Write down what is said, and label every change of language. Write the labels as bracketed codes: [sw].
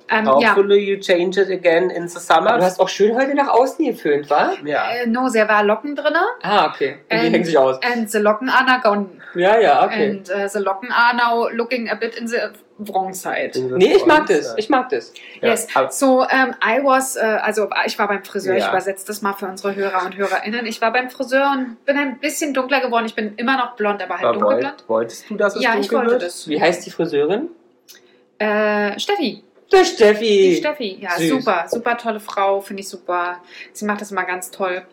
[en] Hopefully you change it again in the summer. [de] Du hast auch schön heute nach außen geföhnt, wa? Ja. [en] No, there were [de] Locken drin. Ah, okay. Und die hängen sich aus. [en] And the Locken are now gone. [de] Ja, okay. [en] And the Locken are now looking a bit in the wrong side. [de] Nee, ich mag das. Ich mag das. Ja. Yes. So, ich war beim Friseur. Ja. Ich übersetze das mal für unsere Hörer und HörerInnen. Ich war beim Friseur und bin ein bisschen dunkler geworden. Ich bin immer noch blond, aber halt war dunkelblond. Wolltest du, dass es dunkel wird? Ja, ich wollte das. Wie heißt die Friseurin? Steffi. Der Steffi. Die Steffi, ja, süß. Super. Super tolle Frau, finde ich super. Sie macht das immer ganz toll.